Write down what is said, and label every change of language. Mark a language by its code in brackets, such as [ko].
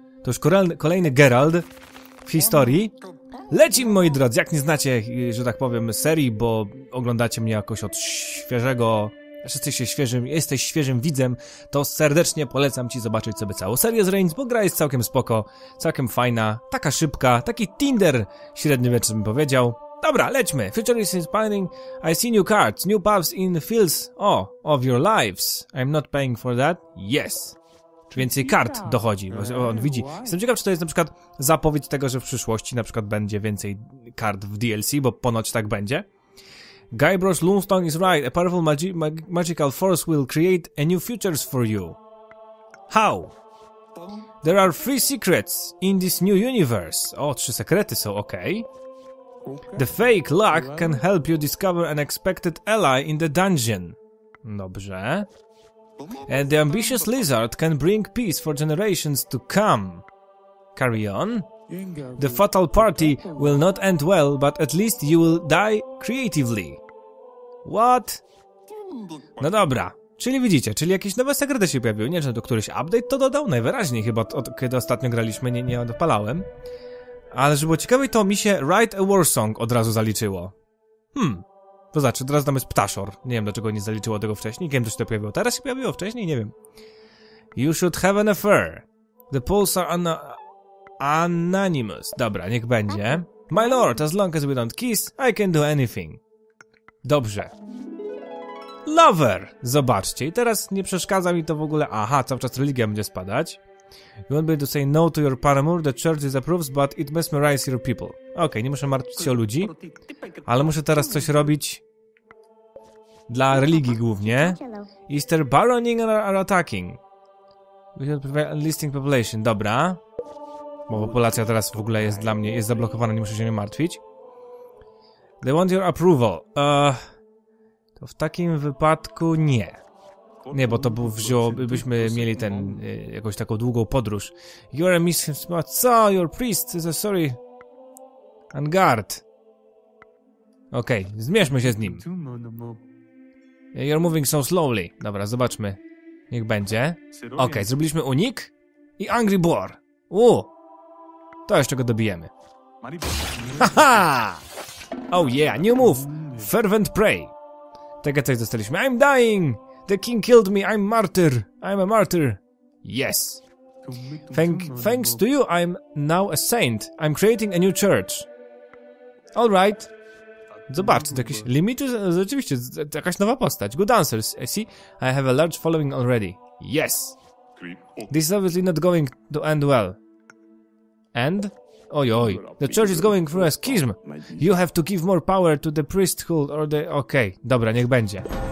[pl] To już kolejny Gerald w historii. Lecimy, moi drodzy, jak nie znacie, że tak powiem, serii, bo oglądacie mnie jakoś od świeżego... jesteś świeżym widzem, to serdecznie polecam ci zobaczyć sobie całą serię z Reigns, bo gra jest całkiem spoko, całkiem fajna, taka szybka, taki Tinder średni mecz, bym powiedział. Dobra, lećmy. [en] Future is inspiring. I see new cards, new paths in the fields of your lives. I'm not paying for that. Yes. [pl] Więcej kart dochodzi, bo on widzi. Jestem ciekaw, czy to jest na przykład zapowiedź tego, że w przyszłości na przykład będzie więcej kart w DLC, bo ponoć tak będzie. [en] Guybrush Lumstone is right. A powerful magical force will create a new futures for you. How? There are three secrets in this new universe. [pl] O, trzy sekrety są, okej. [en] The fake luck can help you discover an expected ally in the dungeon. [pl] Dobrze. [en] And the ambitious lizard can bring peace for generations to come. Carry on. The fatal party will not end well, but at least you will die creatively. What? [pl] No dobra. Czyli widzicie, czyli jakieś nowe sekrety się pojawiły. Nie wiem, czy to któryś update to dodał? Najwyraźniej chyba od kiedy ostatnio graliśmy, nie odpalałem. Ale żeby było ciekawe, to mi się Write a War Song od razu zaliczyło. To znaczy, teraz tam jest ptaszor. Nie wiem, dlaczego nie zaliczyło tego wcześniej. Nie wiem, czy się to pojawiło. Teraz się pojawiło wcześniej? Nie wiem. [en] You should have an affair. The polls are anonymous. [pl] Dobra, niech będzie. [en] My lord, as long as we don't kiss, I can do anything. [pl] Dobrze. [en] Lover! [pl] Zobaczcie. I teraz nie przeszkadza mi to w ogóle. Aha, cały czas religia będzie spadać. [en] You won't be able to say no to your paramour, the church disapproves, but it mesmerizes your people. [pl] Okej, nie muszę martwić się o ludzi, ale muszę teraz coś robić dla religii głównie. [en] Is there baroning are attacking? We should prevent enlisting population, [pl] dobra. Bo populacja teraz w ogóle jest dla mnie, jest zablokowana, nie muszę się nie martwić. [en] They want your approval. [pl] To w takim wypadku nie. Nie, bo to by wzięło, byśmy mieli ten, jakąś taką długą podróż. [en] You're a mischief, [pl] co? [en] Your priest is a sorry. En garde. [pl] Okej, okay, zmierzmy się z nim. [en] You're moving so slowly. [pl] Dobra, zobaczmy. Niech będzie. Okej, okay, zrobiliśmy unik. [en] I angry boar. [pl] To jeszcze go dobijemy. [en] Haha! Oh yeah, new move. Fervent pray. [pl] Tego coś dostaliśmy. [en] I'm dying! The king killed me, I'm a martyr. Yes. Thanks to you, I'm now a saint. I'm creating a new church. All right. [pl] Zobacz, to jakiś limit, rzeczywiście, jakaś nowa postać. [en] Good answers, I see. I have a large following already. Yes. This is obviously not going to end well. And? [pl] Oj, oj. [en] The church is going through a schism. You have to give more power to the priesthood or the... [pl] Okay, dobra, niech będzie.